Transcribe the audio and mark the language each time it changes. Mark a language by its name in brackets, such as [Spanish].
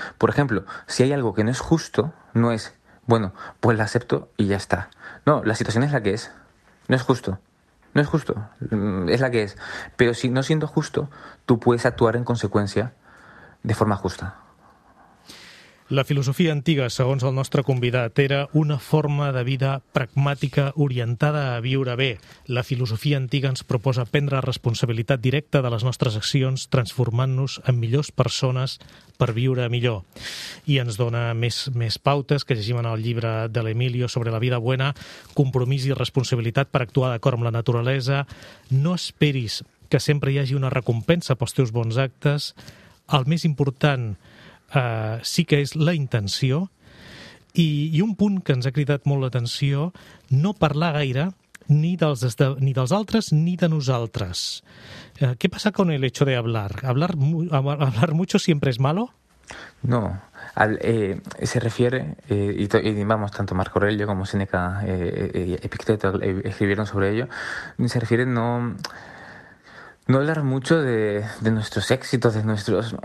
[Spanish] Por ejemplo, si hay algo que no es justo, no es, bueno, pues la acepto y ya está. No, la situación es la que es. No es justo. No es justo. Es la que es. Pero si no siendo justo, tú puedes actuar en consecuencia de forma justa. [Catalan] La filosofia antiga, segons el nostre convidat, era una forma de vida pragmàtica orientada a viure bé. La filosofia antiga ens proposa prendre responsabilitat directa de les nostres accions, transformant-nos en millors persones per viure millor. I ens dona més pautes que llegim en el llibre de l'Emilio sobre la vida buena, compromís i responsabilitat per actuar d'acord amb la naturalesa. No esperis que sempre hi hagi una recompensa pels teus bons actes. El més important... sí que és la intenció, i un punt que ens ha cridat molt l'atenció, no parlar gaire ni dels altres ni de nosaltres. [Spanish] ¿Qué pasa con el hecho de hablar? ¿Hablar mucho siempre es malo? No, se refiere, y vamos, tanto Marco Aurelio como Séneca y Epicteto escribieron sobre ello, se refiere no... No hablar mucho de nuestros éxitos, de nuestros...